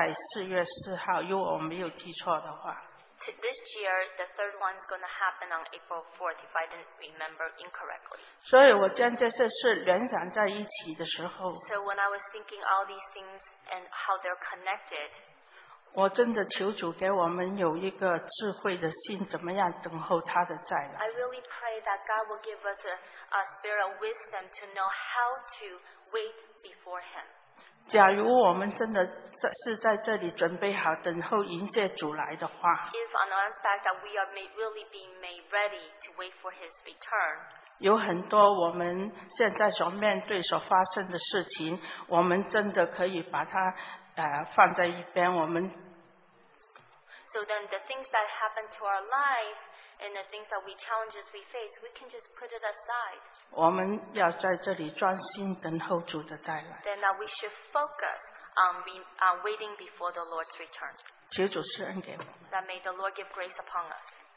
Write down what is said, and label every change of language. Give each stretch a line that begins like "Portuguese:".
Chinese: 今年的第三个是在4月4号，如果我没有记错的话。
English: This year, the third one is going to happen on April 4th, if I didn't remember incorrectly.
Chinese: 所以我将这些事联想在一起的时候,
English: So when I was thinking all these things and how they're connected,
Chinese: 我真的求主给我们有一个智慧的心，怎么样等候他的再来。
English: I really pray that God will give us a spirit of wisdom to know how to wait before Him.
Chinese: 假如我们真的是在这里准备好等候迎接主来的话,
English: If on the fact that we are really being made ready to wait for His return,
Chinese: 有很多我们现在所面对所发生的事情, 我们真的可以把它, 放在一边, 我们,
English: So then the things that happen to our lives and the things that we challenges we face, we can just put it aside.
Chinese: 我们要在这里专心等候主的再来。
English: Then that we should focus on waiting before the Lord's return.
Chinese: 求主施恩给我们。
English: That may the Lord give grace upon us.